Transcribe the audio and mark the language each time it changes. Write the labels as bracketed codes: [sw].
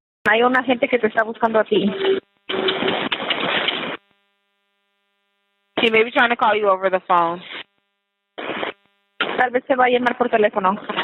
[es] Hay una gente que te está buscando a ti. [en] She may be trying to call you over the phone. [es] Tal vez se va a llamar por teléfono.